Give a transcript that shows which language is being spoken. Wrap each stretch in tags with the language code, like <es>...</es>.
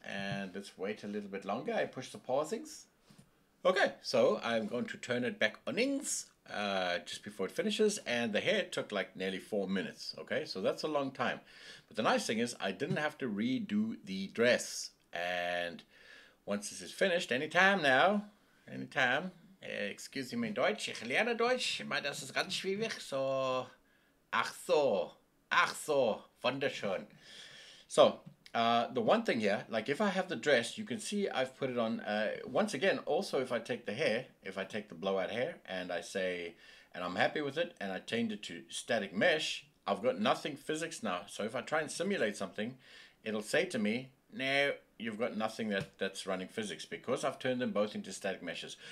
<en>And let's wait a little bit longer. I push the pausings. Okay, so I'm going to turn it back onings just before it finishes. And the hair took like nearly 4 minutes. Okay, so that's a long time. But the nice thing is, I didn't have to redo the dress. And once this is finished, anytime now, anytime. Excuse me</en> <de>in Deutsch, ich lerne Deutsch, aber das ist ganz schwierig, so, ach so, wunderschön.</de> <en>So, the one thing here, like if I have the dress, you can see I've put it on, once again, also if I take the hair, if I take the blowout hair, and I say, and I'm happy with it, and I change it to static mesh, I've got nothing physics now. So if I try and simulate something, it'll say to me, no, you've got nothing that's running physics because I've turned them both into static meshes.</en>